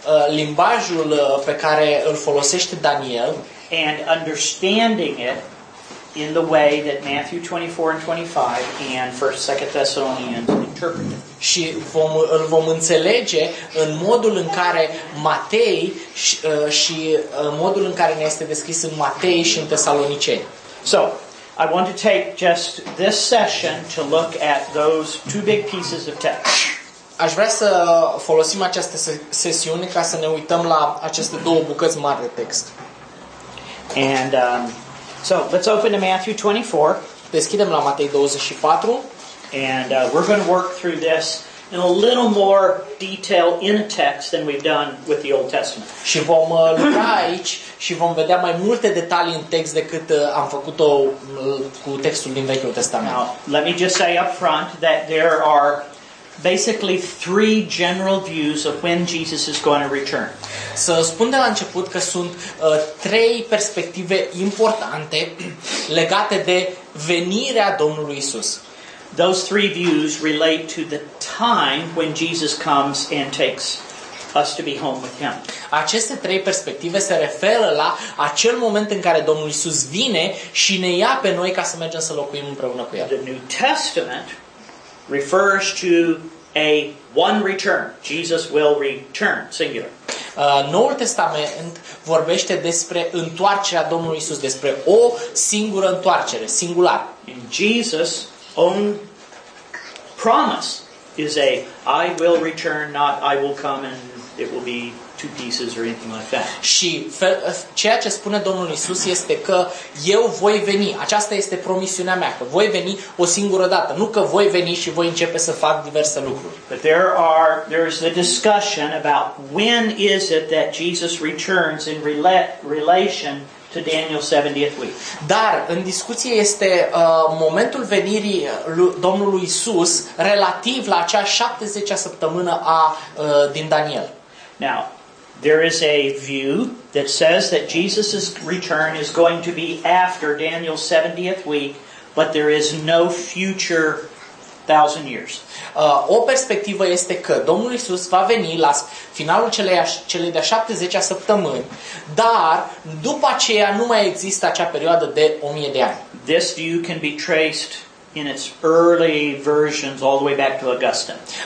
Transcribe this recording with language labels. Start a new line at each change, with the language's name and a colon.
Romanian: Limbajul pe care îl folosește Daniel.
English: And understanding it in the way that Matthew 24 and 25 and 1st 2nd Thessalonians interpret it.
Romanian: Și îl vom înțelege în modul în care Matei și modul în care ne este descris în Matei și în Tesaloniceni.
English: So, I want to take just this session to look at those two big pieces of text.
Romanian: Aș vrea să folosim această sesiune ca să ne uităm la aceste două bucăți mari de text.
English: And so let's open to Matthew 24.
Romanian: Deschidem la Matei 24.
English: And we're going to work through this in a little more detail in a text than we've done with the Old Testament.
Romanian: Și vom lucra aici și vom vedea mai multe detalii în text decât am făcut-o cu textul din Vechiul Testament.
English: Now, let me just say up front that there are basically three general views of when Jesus is going to return.
Romanian: Să spun de la început că sunt trei perspective importante legate de venirea Domnului Isus.
English: Those three views relate to the time when Jesus comes and takes us to be home with him.
Romanian: Aceste trei perspective se referă la acel moment în care Domnul Isus vine și ne ia pe noi ca să mergem să locuim împreună cu el.
English: The New Testament refers to a one return. Jesus will return, singular.
Romanian: Noul Testament vorbește despre întoarcerea Domnului Isus, despre o singură întoarcere, singular.
English: In Jesus own promise is a I will return, not I will come and it will be two pieces or anything like that.
Romanian: Și ceea ce spune Domnul Iisus este că eu voi veni. Aceasta este promisiunea mea, că voi veni o singură dată, nu că voi veni și voi începe să fac diverse lucruri.
English: But there is a discussion about when is it that Jesus returns in relation to Daniel 70th week.
Romanian: Dar în discuție este momentul venirii Domnului Iisus relativ la acea 70-a săptămână a din Daniel.
English: Now, there is a view that says that Jesus's return is going to be after Daniel's 70th week, but there is no future 1000 years.
Romanian: O perspectivă este că Domnul Iisus va veni la finalul celei de 70-a săptămâni, dar după aceea nu mai există acea perioadă de 1000 de ani.
English: This view can be traced in its early versions all the way back to Augustine.